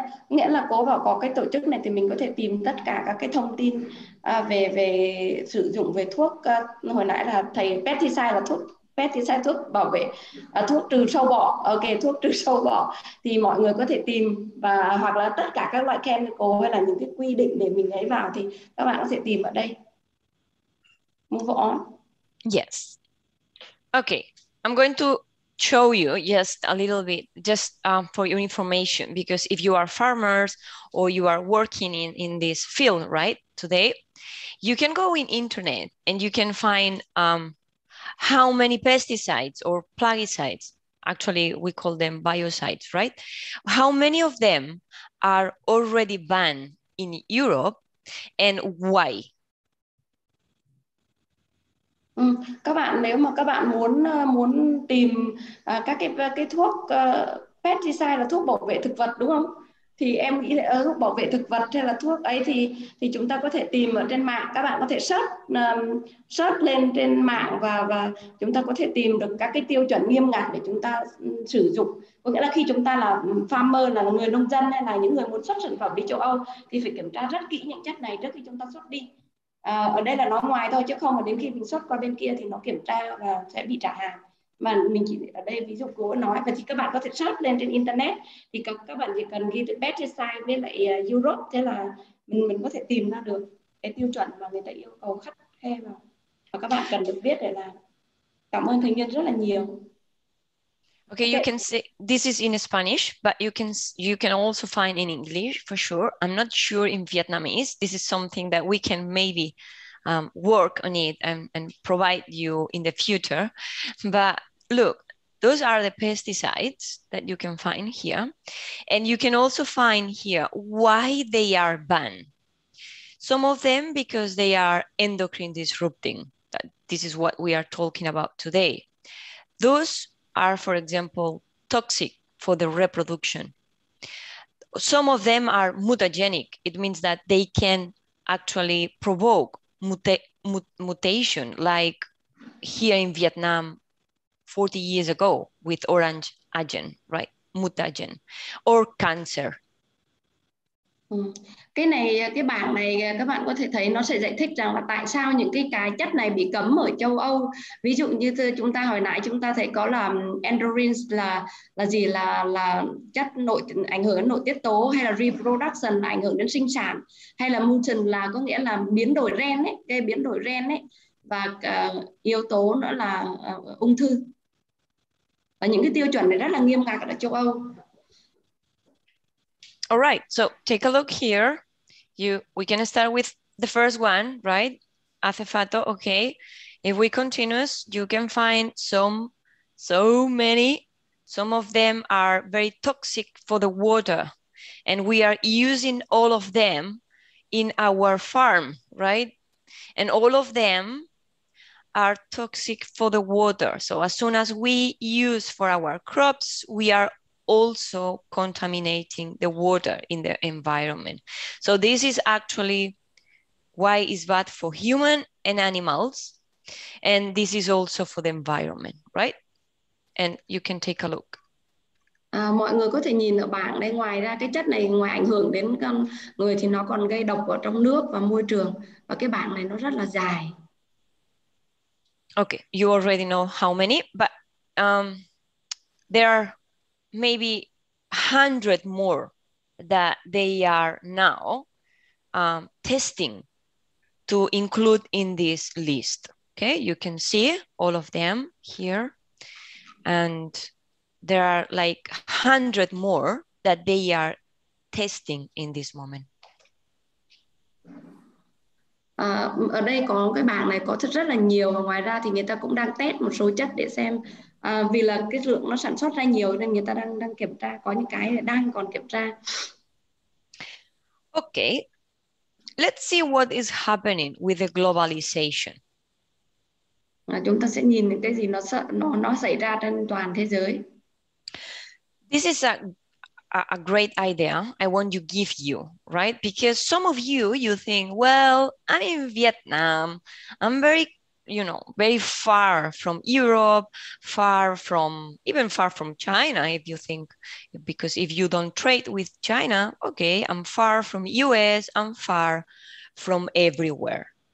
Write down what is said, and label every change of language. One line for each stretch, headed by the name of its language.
Vietnamese: nghĩa là cô bảo có cái tổ chức này thì mình có thể tìm tất cả các cái thông tin về sử dụng về thuốc, hồi nãy là thầy pesticide là pesticide thuốc bảo vệ thuốc trừ sâu bọ, ok, thuốc trừ sâu bọ thì mọi người có thể tìm, và hoặc là tất cả các loại chemical hay là những cái quy định để mình lấy vào thì các bạn có thể tìm ở đây.
English: Move on. Yes. Okay, I'm going to show you just a little bit, just for your information, because if you are farmers or you are working in this field right today, you can go in internet and you can find how many pesticides or plaguicides, actually we call them biocides, right? How many of them are already banned in Europe and why?
Vietnamese: Các bạn nếu mà các bạn muốn tìm các cái thuốc pesticide là thuốc bảo vệ thực vật đúng không, thì em nghĩ là thuốc bảo vệ thực vật hay là thuốc ấy thì chúng ta có thể tìm ở trên mạng, các bạn có thể search lên trên mạng và chúng ta có thể tìm được các cái tiêu chuẩn nghiêm ngặt để chúng ta sử dụng. Có nghĩa là khi chúng ta là farmer, là người nông dân hay là những người muốn xuất sản phẩm đi châu Âu thì phải kiểm tra rất kỹ những chất này trước khi chúng ta xuất đi. Ở đây là nó ngoài thôi, chứ không mà đến khi mình xuất qua bên kia thì nó kiểm tra và sẽ bị trả hàng. Mà mình chỉ ở đây ví dụ cố nói, và thì các bạn có thể search lên trên internet thì các bạn chỉ cần ghi được pesticide với lại Europe, thế là mình có thể tìm ra được cái tiêu chuẩn mà người ta yêu cầu khắt khe vào và các bạn cần được biết để làm. Cảm ơn thầy Nhân rất là nhiều.
English: Okay, you can see this is in Spanish, but you can also find in English for sure. I'm not sure in Vietnamese. This is something that we can maybe work on it and provide you in the future. But look, those are the pesticides that you can find here. And you can also find here why they are banned. Some of them because they are endocrine disrupting. This is what we are talking about today. Those are, for example, toxic for the reproduction. Some of them are mutagenic. It means that they can actually provoke mutation, like here in Vietnam 40 years ago with orange agent, right? Mutagen, or cancer.
Vietnamese: Cái này, cái bảng này các bạn có thể thấy nó sẽ giải thích rằng là tại sao những cái chất này bị cấm ở châu Âu. Ví dụ như chúng ta hồi nãy chúng ta thấy có là androgens là gì, là chất nội ảnh hưởng đến nội tiết tố, hay là reproduction là ảnh hưởng đến sinh sản, hay là mutation là có nghĩa là biến đổi gen ấy, cái biến đổi gen ấy, và yếu tố nữa là ung thư. Và những cái tiêu chuẩn này rất là nghiêm ngặt ở châu Âu.
English: All right, so take a look here. We can start with the first one, right? Acefato, okay. If we continue, you can find some of them are very toxic for the water, and we are using all of them in our farm, right? And all of them are toxic for the water. So as soon as we use for our crops, we are also contaminating the water in the environment. So this is actually why it's bad for human and animals. And this is also for the environment, right? And you can take a look.
Vietnamese: Mọi người có thể nhìn ở bảng đây, ngoài ra cái chất này ngoài ảnh hưởng đến con người thì nó còn gây độc ở trong nước và môi trường. Và cái bảng này nó rất là dài.
English: Okay, you already know how many, but there are maybe 100 more that they are now testing to include in this list. Okay, you can see all of them here. And there are like 100 more that they are testing in this moment.
Vietnamese: Ở đây có cái bảng này có rất là nhiều, và ngoài ra thì người ta cũng đang test một số chất để xem. Vì là cái lượng nó sản xuất ra nhiều nên người ta đang kiểm tra, có những cái đang còn kiểm tra.
English: Okay, let's see what is happening with the globalization.
Vietnamese: Chúng ta sẽ nhìn cái gì nó xảy ra trên toàn thế giới.
English: This is a great idea I want to give you, right? Because some of you think, well, I'm in Vietnam, I'm very, you know, very far from Europe, far from China, if you think, because if you don't trade with China, okay, I'm far from US, I'm far from everywhere.